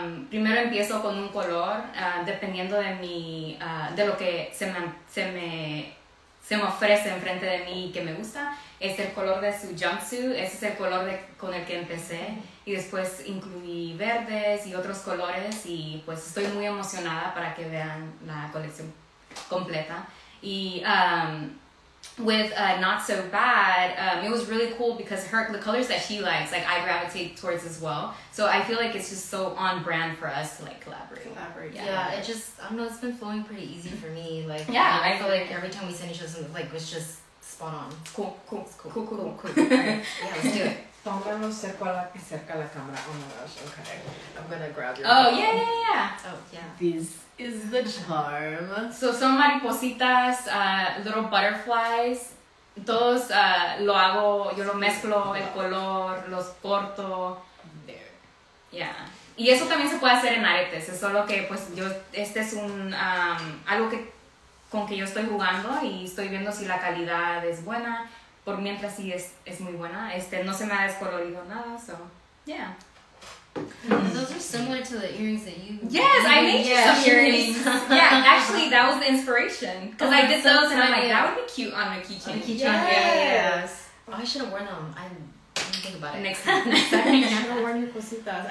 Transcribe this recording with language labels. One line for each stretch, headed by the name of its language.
Spanish: Primero empiezo con un color, dependiendo de mi, de lo que se me ofrece enfrente de mí y que me gusta. Es el color de su jumpsuit, ese es el color de, con el que empecé. Y después incluí verdes y otros colores y pues estoy muy emocionada para que vean la colección completa.
English: Y with Not So Bad, it was really cool because the colors that she likes, like I gravitate towards as well. So I feel like it's just so on brand for us to like collaborate. Yeah, it just, I don't know, it's been flowing pretty easy for me. Like, yeah, I feel like every time we send each other, like it's just spot on. Cool. Yeah, let's do it.
Spanish: Pongamos cerca la cámara.
English: Oh my gosh, okay. I'm gonna grab your phone. Yeah. Oh, yeah. This is the charm. So,
Spanish: son maripositas,
English: little butterflies.
Spanish: Todos lo hago, yo lo mezclo, el color, los corto.
English: There. Yeah.
Spanish: Y eso también se puede hacer en aretes. Es solo que, pues, yo, este es un, algo que, con que yo estoy jugando y estoy viendo si la calidad es buena. Por mientras sí es muy buena, no se me ha descolorido nada,
English: so, yeah. Those are similar to the earrings that you... Yes, I made some earrings. Yeah, actually, that was the inspiration. Because I did those and I'm like, that would be cute on a keychain. Yes. Oh, I should have worn them. I didn't think about it. Next time. I should have worn your cositas.